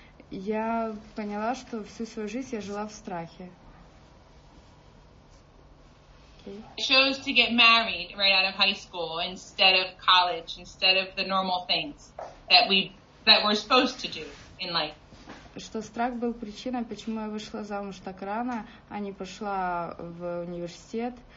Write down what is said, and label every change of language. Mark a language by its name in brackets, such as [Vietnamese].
[Russian] Я поняла, что всю свою жизнь я жила в страхе. [English] Okay. I chose to get married right out of high school instead of college, instead of the normal things that we're supposed to do in life. [Russian] Что страх был причиной, почему я вышла замуж так рано, а не пошла в университет.